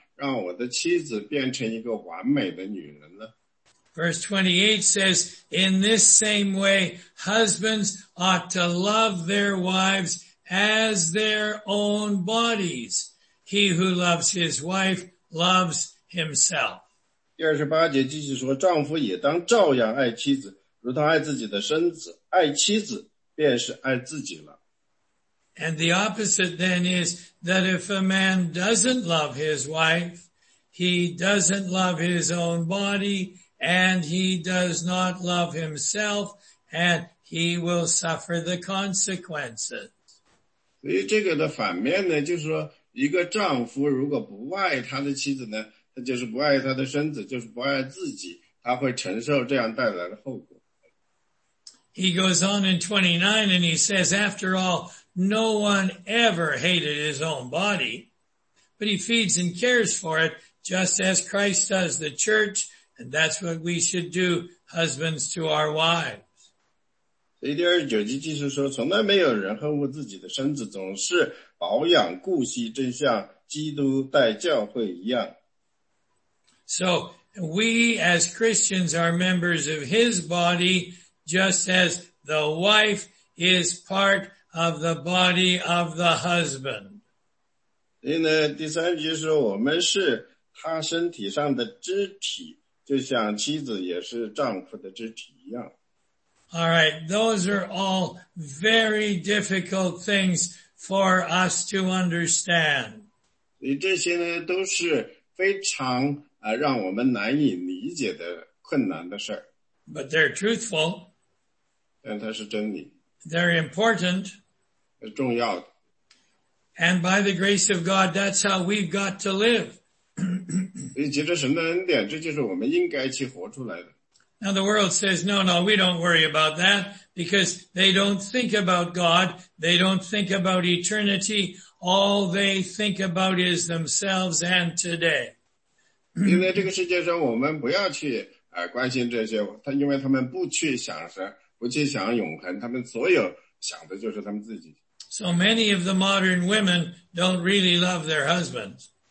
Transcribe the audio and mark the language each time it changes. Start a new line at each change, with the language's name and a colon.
Chinese: 这就是丈夫对妻子说的话。他说我今天能做什么让我的妻子变成一个完美的女人呢?
English: Verse 28 says, in this same way, husbands ought to love their wives as their own bodies. He who loves his wife loves himself.
Chinese: 第28节继续说, 丈夫也当照样爱妻子, 如他爱自己的身子, 爱妻子便是爱自己了。
English: And the opposite then is that if a man doesn't love his wife, he doesn't love his own body, and he does not love himself, and he will suffer the consequences.
Chinese: 所以这个的反面呢, 就是说一个丈夫如果不爱他的妻子呢, 他就是不爱他的身子, 就是不爱自己, 他会承受这样带来的后果。
English: He goes on in 29 and he says, after all, no one ever hated his own body, but he feeds and cares for it just as Christ does the church. And that's what we should do, husbands, to our wives.
Chinese: 所以第29节继续说, 从来没有人恨恶自己的身子, 总是保养顾惜, 正像基督带教会一样。
English: So We as Christians are members of his body, just as the wife is part of the body of the husband.
Chinese: 第三句是我们是他身体上的肢体, 就像妻子也是丈夫的肢体一样。
English: All right, those are all very difficult things for us to understand.
Chinese: 这些呢都是非常 让我们难以理解的困难的事儿。
English: But they're truthful.
Chinese: 但它是真理。
English: They're important.
Chinese: 重要的。
English: And by the grace of God, that's how we've got to live.
Chinese: 以及着神的恩典, 这就是我们应该去活出来的。
English: Now the world says, no, no, we don't worry about that because they don't think about God. They don't think about eternity. All they think about is themselves and today.
Chinese: 因为这个世界上我们不要去关心这些，他因为他们不去想神，不去想永恒，他们所有想的就是他们自己。
English: So many of the modern women don't really love their husbands.